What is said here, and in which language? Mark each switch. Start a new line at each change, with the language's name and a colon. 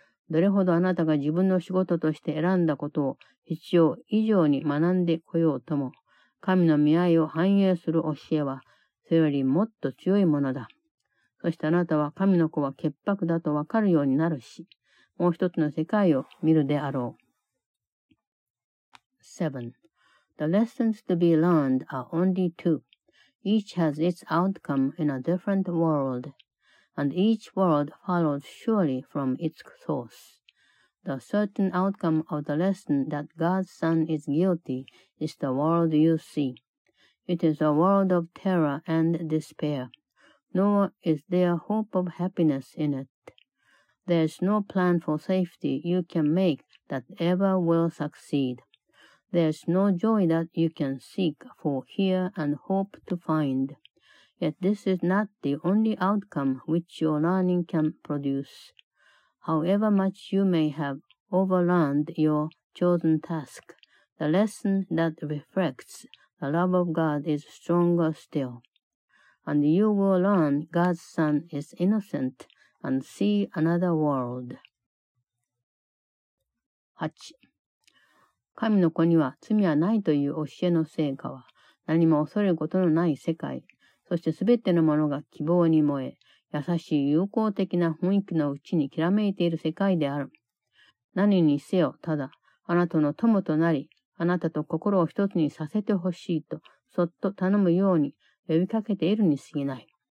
Japanese: どれほどあなたが自分の仕事として選んだことを必要以上に学んでこようとも、神の見合いを反映する教えは、それよりもっと強いものだ。そしてあなたは神の子は潔白だとわかるようになるし、もう一つの世界を見るであろう。
English: 7. The lessons to be learned are only two. Each has its outcome in a different world, and each world follows surely from its source. The certain outcome of the lesson that God's son is guilty is the world you see. It is a world of terror and despair, nor is there hope of happiness in it. There's no plan for safety you can make that ever will succeed. There's no joy that you can seek for here and hope to find. Yet this is not the only outcome which your learning can produce. However much you may have overlearned your chosen task, the lesson that reflects the love of God is stronger still. And you will learn God's Son is innocent and see another world.
Japanese: 8. 神の子には罪はないという教えの成果は、何も恐れることのない世界、そしてすべてのものが希望に燃え、優しい友好的な雰囲気のうちにきらめいている世界である。何にせよ、ただ、あなたの友となり、あなたと心を一つにさせてほしいと、そっと頼むように呼びかけているに過ぎない。